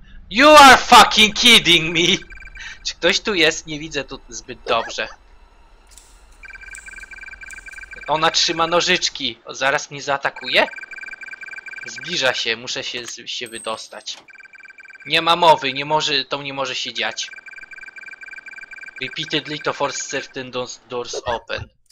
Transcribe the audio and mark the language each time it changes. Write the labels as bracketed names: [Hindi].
[English] You are fucking kidding me! [Polish] Czy ktoś tu jest? Nie widzę tu zbyt dobrze. Ona trzyma nożyczki. O, zaraz mnie zaatakuje? Zbliża się, muszę się wydostać. Nie ma mowy, nie może, to nie może się dziać. [English] Repeatedly to force certain doors open.